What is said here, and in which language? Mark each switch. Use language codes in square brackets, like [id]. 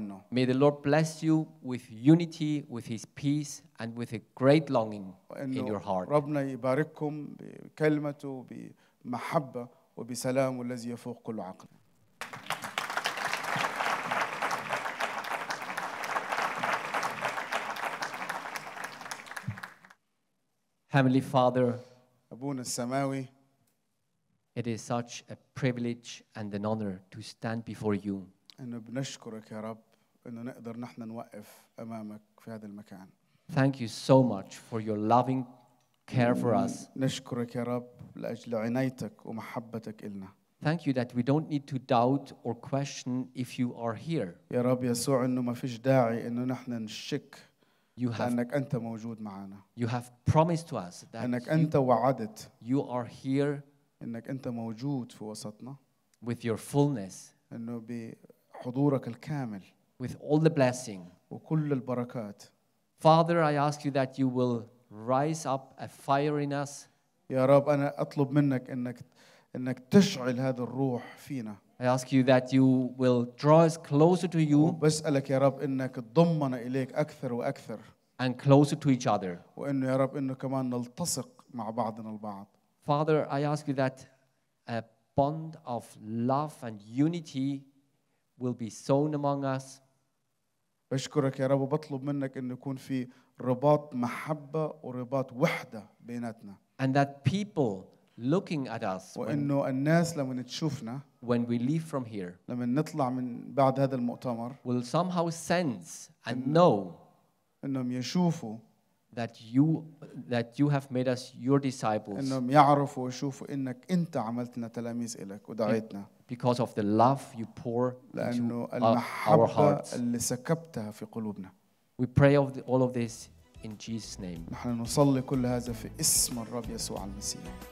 [en] May the Lord bless you with unity, with His peace, and with a great longing in your heart. [ar] ربنا يبارككم بكلمته بمحبة وبسلام والذي يفوق كل عقل. [en] Heavenly Father, [ar] أبونا السماوي. [en] It is such a privilege and an honor to stand before you. [ar] إنه بنشكرك يا رب إنه نقدر نحن نوقف أمامك في هذا المكان. [en] Thank you so much for your loving care for us. [ar] نشكرك يا رب لأجل عنايتك ومحبتك إلنا. [en] Thank you that we don't need to doubt or question if you are here. [ar] يا رب يسوع إنه ما فيش داعي إنه نحن نشك لأنك أنت موجود معنا. [en] You have promised to us that [ar] إنك أنت وعدت. [en] You are here. [ar] إنك أنت موجود في وسطنا. [en] With your fullness. [ar] إنه بحضورك الكامل. [en] With all the blessing. [ar] وكل البركات. [en] Father, I ask you that you will rise up a fire in us. [ar] يا رب أنا أطلب منك إنك تشعل هذا الروح فينا. [en] I ask you that you will draw us closer to you. [ar] وبسألك يا رب إنك تضمنا إليك أكثر وأكثر. [en] And closer to each other. [ar] وإنه يا رب إنه كمان نلتصق مع بعضنا البعض. [en] Father, I ask you that bond of love and unity will be sown among us. [ar] بشكرك يا رب وبطلب منك إنه يكون في رباط محبة ورباط وحدة بيناتنا. [en] And that people looking at us. [ar] وإنه الناس لما نتشوفنا. [en] When we leave from here. [ar] لما نطلع من بعد هذا المؤتمر. [en] Will somehow sense and know. [ar] إنهم يشوفوا. [en] That you have made us your disciples. [ar] إنهم يعرفوا ويشوفوا إنك أنت عملتنا تلاميذ إلك ودعيتنا. [en] Because of the love you pour into our hearts. [ar] اللي سكبتها في قلوبنا. [en] We pray all of this in Jesus' name. [ar] نحن نصلي كل هذا في اسم الرب يسوع المسيح.